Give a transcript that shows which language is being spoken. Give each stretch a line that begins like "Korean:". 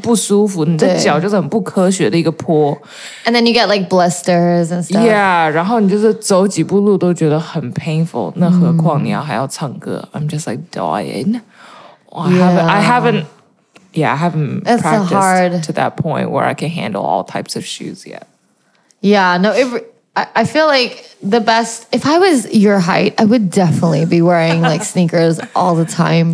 Chinese: 但是有一些那个鞋的那个模型是很不舒服，你的脚就是很不科学的一个坡.
English: And then you get like blisters and stuff.
Chinese: Yeah, 然后你就是走几步路都觉得很 painful. 那何况你要还要唱歌.
English: I'm just like dying. I haven't practiced to that point where I can handle all types of shoes yet. Yeah, no, I feel like the best, if I was your height, I would definitely be wearing like sneakers all the time.